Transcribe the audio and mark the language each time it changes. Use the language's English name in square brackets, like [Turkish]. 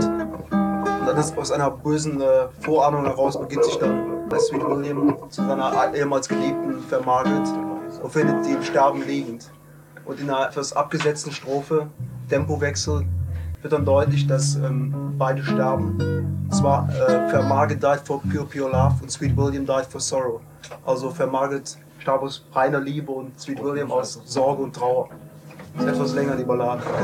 [German] Und dann aus einer bösen Vorahnung heraus beginnt sich dann Sweet William zu seiner ehemals Geliebten Fair Margaret und findet sie im Sterben liegend. Und in einer etwas abgesetzten Strophe, Tempowechsel, wird dann deutlich, dass beide sterben. Und zwar [English] Fair Margaret died for pure, pure love [German] und [English] Sweet William died for sorrow. [German] Also Fair Margaret starb aus reiner Liebe und Sweet William aus Sorge und Trauer. Das ist etwas länger, die Ballade.